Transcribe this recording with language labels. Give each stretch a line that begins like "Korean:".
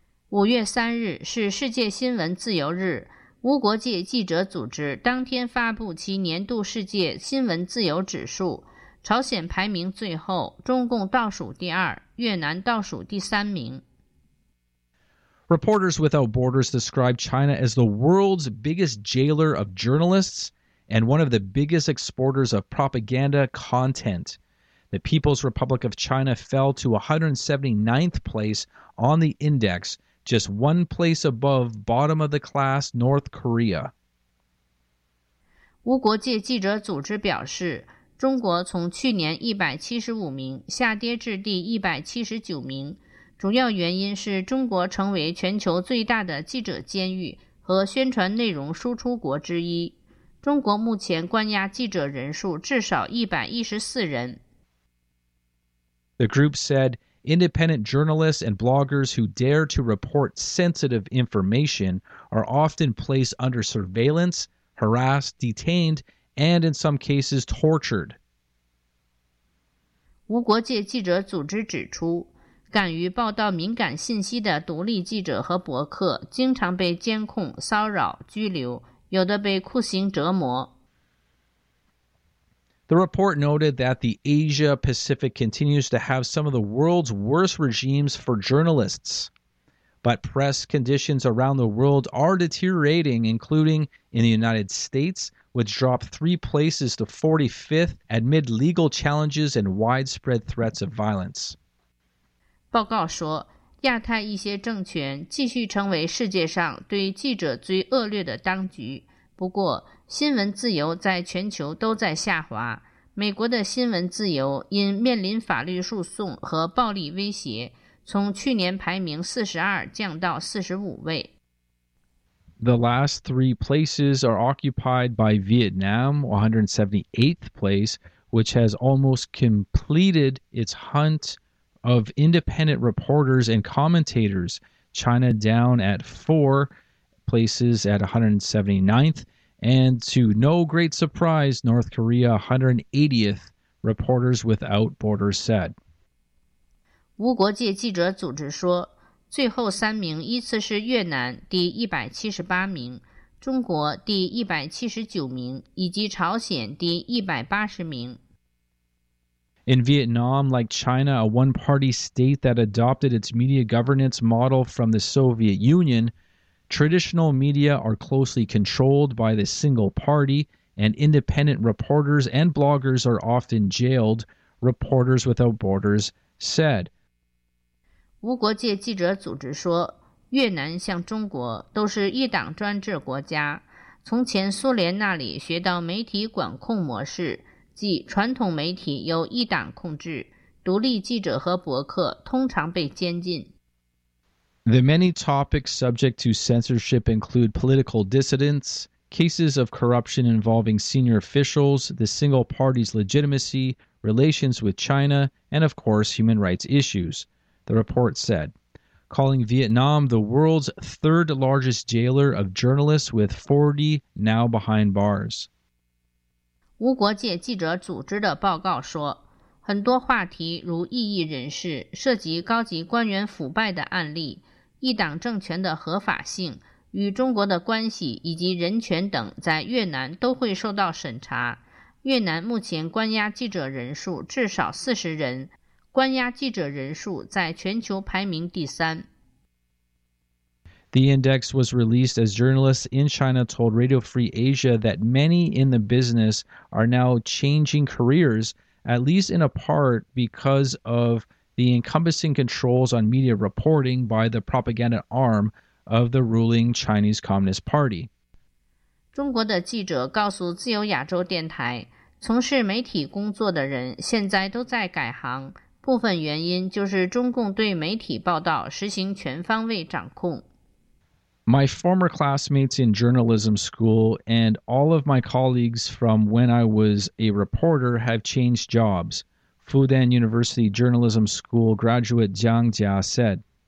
Chinese: 5月3日是世界新闻自由日，无国界记者组织当天发布其年度世界新闻自由指数，朝鲜排名最后，中共倒数第二，越南倒数第三名。
English: Reporters Without Borders describe China as the world's biggest jailer of journalists and one of the biggest exporters of propaganda content. The People's Republic of China fell to 179th place on the index,just one place above bottom of the class, North Korea.
Chinese: 无国界记者组织表示，中国从去年175名下跌至第179名，主要原因是中国成为全球最大的记者监狱和宣传内容输出国之一。中国目前关押记者人数至少114人。
English: The group said,Independent journalists and bloggers who dare to report sensitive information are often placed under surveillance, harassed, detained, and in some cases tortured.
Chinese: 无国界记者组织指出，敢于报道敏感信息的独立记者和博客经常被监控、骚扰、拘留，有的被酷刑折磨。
English: The report noted that the Asia-Pacific continues to have some of the world's worst regimes for journalists. But press conditions around the world are deteriorating, including in the United States, which dropped 3 places to 45th amid legal challenges and widespread threats of violence.
Chinese: 报告说，亚太一些政权继续成为世界上对记者最恶劣的当局。不过，新闻自由在全球都在下滑。美国的新闻自由因面临法律诉讼和暴力威胁，从去年排名42降到45位。
English: The last 3 places are occupied by Vietnam, 178th place, which has almost completed its hunt of independent reporters and commentators. China down at 4 places at 179th. And to no great surprise, North Korea 180th, Reporters Without Borders said.
Chinese: 无国界记者组织说，最后三名依次是越南第178名，中国第179名，以及朝鲜第180名。
English: In Vietnam, like China, a one-party state that adopted its media governance model from the Soviet Union,Traditional media are closely controlled by the single party, and independent reporters and bloggers are often jailed, Reporters Without Borders said.
Chinese: 无国界记者组织说，越南像中国都是一党专制国家，从前苏联那里学到媒体管控模式，即传统媒体由一党控制，独立记者和博客通常被监禁。
English: The many topics subject to censorship include political dissidents, cases of corruption involving senior officials, the single party's legitimacy, relations with China, and of course, human rights issues, the report said, calling Vietnam the world's third largest jailer of journalists with 40 now behind bars.
Chinese: 无国界记者组织的报告说，很多话题如异议人士涉及高级官员腐败的案例。一党政权的合法性、与中国的关系以及人权等在越南都会受到审查。越南目前关押记者人数至少40人，关押记者人数在全球排名第三。
English: The index was released as journalists in China told Radio Free Asia that many in the business are now changing careers, at least in a part because of the encompassing controls on media reporting by the propaganda arm of the ruling Chinese Communist Party.
Chinese: 中国的记者告诉自由亚洲电台，从事媒体工作的人现在都在改行，部分原因就是中共对媒体报道实行全方位掌控。
English: My former classmates in journalism school and all of my colleagues from when I was a reporter have changed jobs, Fudan University Journalism School graduate Zhang Jia said.